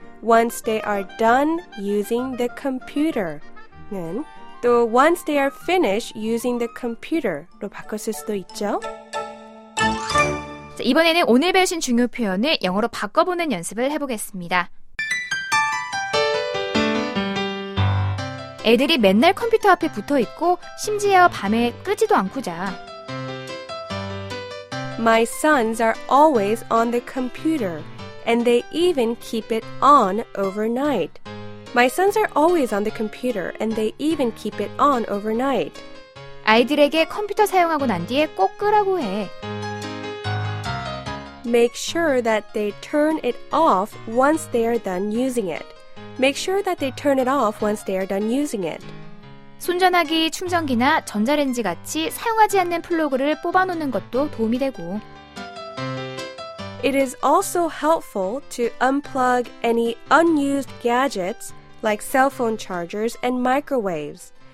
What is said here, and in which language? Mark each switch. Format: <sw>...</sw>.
<en>Once they are done using the computer 는 또 once they are finished using the computer 로</en> <ko>바꿨을 수도 있죠. 자, 이번에는 오늘 배우신 중요 표현을 영어로 바꿔보는 연습을 해보겠습니다. 애들이 맨날 컴퓨터 앞에 붙어있고 심지어 밤에 끄지도 않고 자.</ko> <en>My sons are always on the computer and they even keep it on overnight. My sons are always on the computer and they even keep it on overnight.</en> <ko>아이들에게 컴퓨터 사용하고 난 뒤에 꼭 끄라고 해.</ko> <en>Make sure that they turn it off once they are done using it. Make sure that they turn it off once they are done using it.</en> <ko>손전화기, 충전기나 전자레인지 같이 사용하지 않는 플러그를 뽑아놓는 것도 도움이 되고.</ko> <en>It is also helpful to unplug any unused gadgets like cell phone chargers and microwaves.</en>